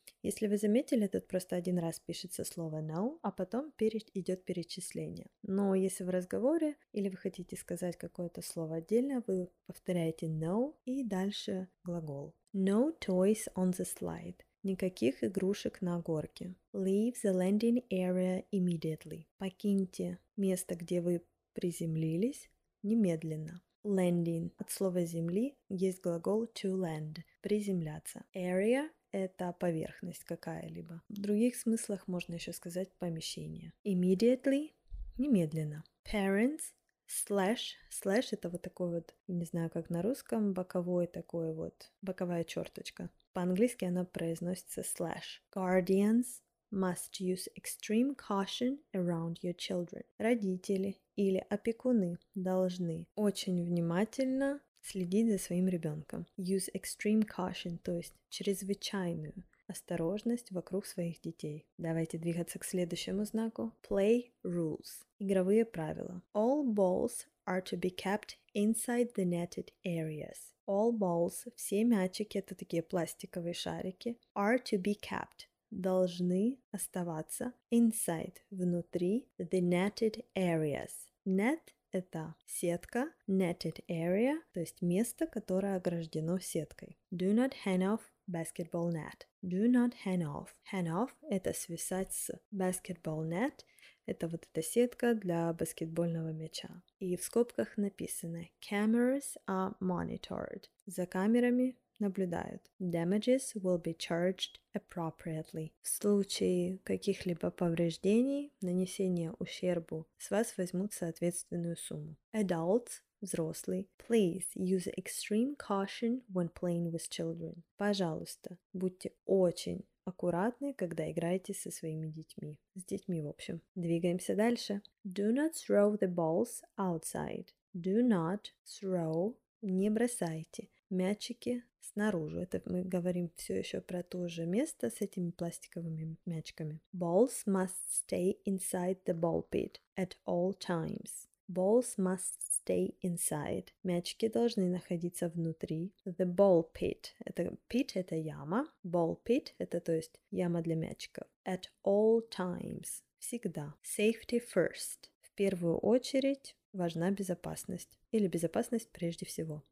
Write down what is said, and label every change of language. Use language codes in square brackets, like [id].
[ru] Если вы заметили, тут просто один раз пишется слово no, а потом идет перечисление. Но если в разговоре или вы хотите сказать какое-то слово отдельно, вы повторяете no и дальше глагол. [en] No toys on the slide. [ru] Никаких игрушек на горке. [en] Leave the landing area immediately. [ru] Покиньте место, где вы приземлились, немедленно. [en] Landing. [ru] От слова земли есть глагол to land. Приземляться. Area – это поверхность какая-либо. В других смыслах можно еще сказать помещение. Immediately – немедленно. [en] Parents – slash. [ru] Slash – это вот такой вот, не знаю, как на русском, боковой такой вот, боковая черточка. По-английски она произносится slash. [en] Guardians – must use extreme caution around your children. [ru] Родители – или опекуны должны очень внимательно следить за своим ребенком. [en] Use extreme caution, [ru] то есть чрезвычайную осторожность вокруг своих детей. Давайте двигаться к следующему знаку. [en] Play rules. [ru] Игровые правила. [en] All balls are to be kept inside the netted areas. All balls, [ru] все мячики, это такие пластиковые шарики, [en] are to be kept, [ru] должны оставаться [en] inside, [ru] внутри, [en] the netted areas. [ru] Net – это сетка, [en] netted area, [ru] то есть место, которое ограждено сеткой. [en] Do not hang off basketball net. Do not hang off. Hang off [ru] – это свисать с [en] basketball net. [ru] Это вот эта сетка для баскетбольного мяча. И в скобках написано [en] cameras are monitored. [ru] За камерами наблюдают. [en] Damages will be charged appropriately. [ru] В случае каких-либо повреждений, нанесения ущербу, с вас возьмут соответственную сумму. [en] Adults, [ru] взрослый, [en] please use extreme caution when playing with children. [ru] Пожалуйста, будьте очень аккуратны, когда играете со своими детьми. С детьми, в общем. Двигаемся дальше. [en] Do not throw the balls outside. Do not throw. [ru] Не бросайте мячики снаружи. Это мы говорим все еще про то же место с этими пластиковыми мячиками. [en] Balls must stay inside the ball pit at all times. Balls must stay inside. [ru] Мячики должны находиться внутри. [en] The ball pit. [ru] Это pit – это яма. [en] Ball pit [ru] – это, то есть, яма для мячиков. [en] At all times. [ru] Всегда. [en] Safety first. [ru] В первую очередь важна безопасность. Или безопасность прежде всего.